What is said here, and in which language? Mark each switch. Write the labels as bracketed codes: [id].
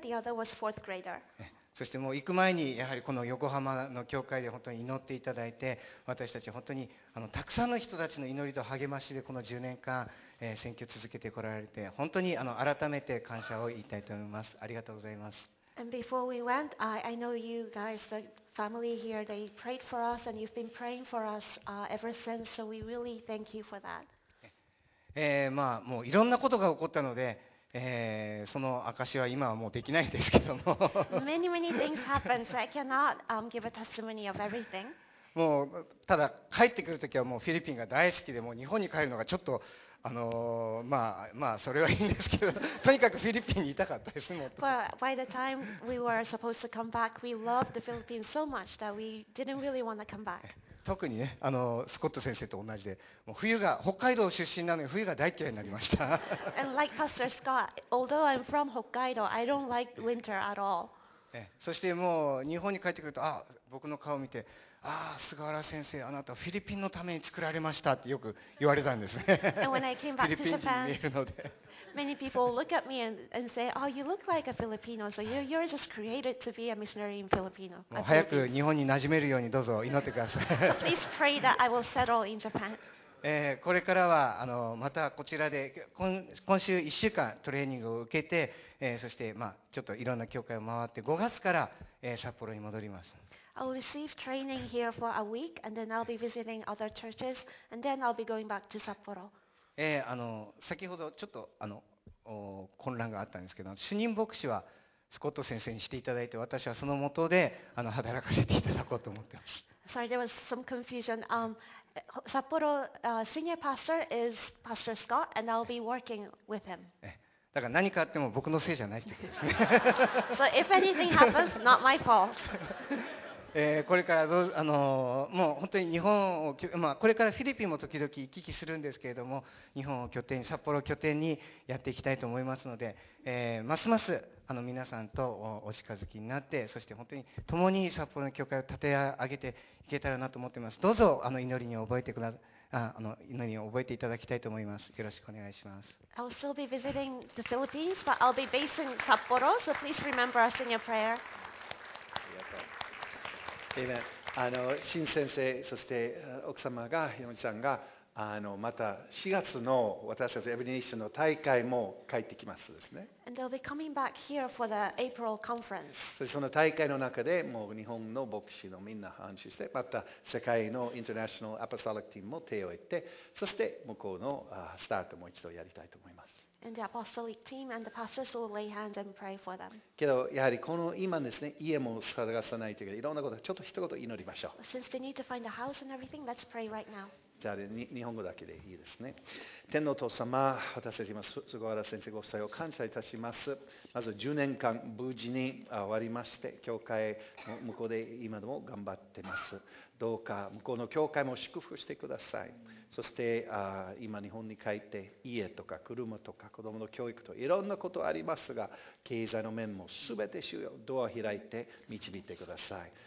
[en] The other was fourth grader. [ja] そしてもう行く前にやはりこの横浜の教会で本当に祈っていただいて、私たち本当にたくさんの人たちの祈りと励ましでこの10年間選挙続けてこられて、本当に改めて感謝を言いたいと思います。ありがとうございます。 [en] And before we went, I know you guys, the family here, they prayed for us and you've been praying for us ever since, so we really thank you for that. [ja] もういろんなことが起こったので、その証は今はもうできないんですけども。 [en] Many, many things happen, so I cannot give a testimony of everything. [ja] もうただ帰ってくるときはもうフィリピンが大好きで、もう日本に帰るのがちょっとそれはいいんですけど、とにかくフィリピンにいたかったですもん。 [en] But by the time we were supposed to come back, we loved the Philippines so much that we didn't really want to come back. [ja] 特にね、スコット先生と同じで、もう冬が北海道出身なのに冬が大嫌いになりました。 [en] And like Pastor Scott, although I'm from Hokkaido, I don't like winter at all. [ja] そしてもう日本に帰ってくると、あ、僕の顔を見て、ああ菅原先生、あなたはフィリピンのために作られましたってよく言われたんですね。フィリピン人に見えるので。 [en] Many people look at me and say, "Oh, you look like a Filipino. So you're just created to be a missionary in Filipino." [ja] もう早く日本に馴染めるようにどうぞ祈ってください。 [en] Please pray that I will settle in Japan. [ja] これからはまたこちらで今週1週間トレーニングを受けて、そしてちょっといろんな教会を回って、5月から札幌に戻ります。 [en] I will receive training here for a week, and then I'll be visiting other churches, and then I'll be going back to Sapporo. [ja] 先ほどちょっと混乱があったんですけど、主任牧師はスコット先生にしていただいて、私はその元で働かせていただこうと思ってます。 [en] Sorry, there was some confusion. Sapporo senior pastor is Pastor Scott, and I'll be working with him. [ja] だから何かあっても僕のせいじゃないってことですね。 [en] So if anything happens, not my fault. [ja] これからどうもう本当に日本を、まあ、これからフィリピンも時々行き来するんですけれども、日本を拠点に、札幌を拠点にやっていきたいと思いますので、ますます皆さんとお近づきになって、そして本当に共に札幌の教会を立て上げていけたらなと思っています。どうぞ祈りに覚えてください。祈りを覚えていただきたいと思います。よろしくお願いします。 [en] I'll still be visiting the Philippines, but I'll be based in Sapporo, so please remember us in your prayer. [ja] ありがとう。Amen. 新先生、そして奥様が、ひろみさんが、また4月の私たちエブリネーションの大会も帰ってきますですね。 [en] And they'll be coming back here for the April conference. [ja] そしてその大会の中でもう日本の牧師のみんな安心して、また世界のインターナショナルアポストリックチームも手を挙げて、そして向こうのスタートもう一度やりたいと思います。 [en] And the apostolic team and the pastors will lay hands and pray for them. [ja] けどやはりこの今ですね、家も探さないといけない、いろんなこと、ちょっと一言祈りましょう。 [en] Since they need to find a house and everything, let's pray right now. [ja] じゃあ日本語だけでいいですね。天皇父様、私たち今菅原先生ご夫妻を感謝いたします。まず10年間無事に終わりまして、教会の向こうで今でも頑張ってます。どうか向こうの教会も祝福してください。そして今日本に帰って、家とか車とか子供の教育といろんなことありますが、経済の面も全て主よ、ドア開いて導いてください。